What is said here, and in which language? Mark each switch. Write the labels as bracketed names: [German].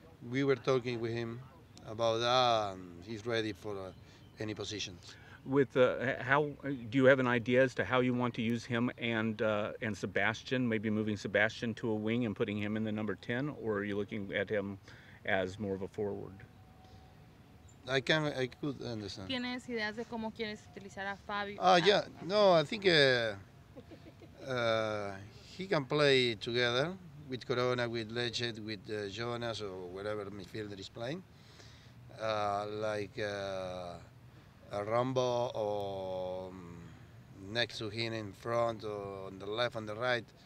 [English] We were talking with him about that, and he's ready for any position. With how do you have an idea as to how you want to use him and Sebastian, maybe moving Sebastian to a wing and putting him in the number 10, or are you looking at him as more of a forward? I could understand. [Spanish] ¿Tienes ideas de cómo quieres utilizar a Fabio? [English] I think he can play together with Corona, with Leggett, with Jonas, or whatever midfielder is playing. A Rambo, or next to him in front, or on the left, on the right.